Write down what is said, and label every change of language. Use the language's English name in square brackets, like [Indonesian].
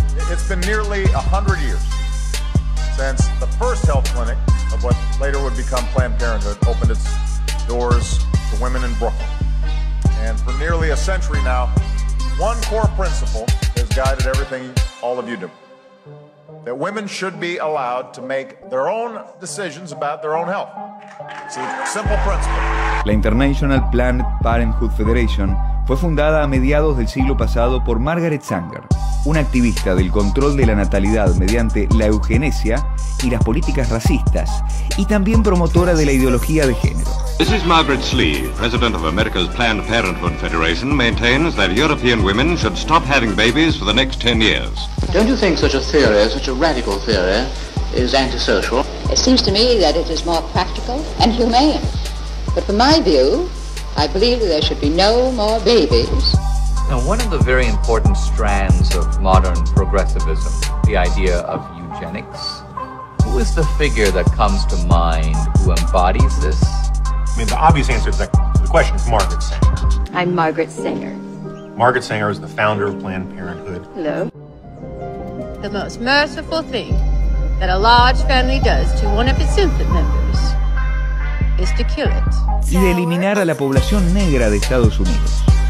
[English] It's been nearly 100 years since the first health clinic of what later would become Planned Parenthood opened its doors to women in Brooklyn. And for nearly a century now, one core principle has guided everything all of you do. That women should be allowed to make their own decisions about their own health. It's a simple principle. [Spanish] La International Planned Parenthood Federation fue fundada a mediados del siglo pasado por Margaret Sanger, una activista del control de la natalidad mediante la eugenesia y las políticas racistas, y también promotora de la ideología de género. [English] This is Margaret Slee, president of America's Planned Parenthood Federation, maintains that European women should stop having babies for the next 10 years. Don't you think such a theory, such a radical theory, is antisocial? It seems to me that it is more practical and humane. But for my view, I believe that there should be no more babies. Now, one of the very important strands of modern progressivism, the idea of eugenics, who is the figure that comes to mind who embodies this? I mean, the obvious answer to the question is Margaret Sanger. I'm Margaret Sanger. Margaret Sanger is the founder of Planned Parenthood. Hello. The most merciful thing that a large family does to one of its infant members is to kill it. [Spanish] Y de eliminar a la población negra de Estados Unidos.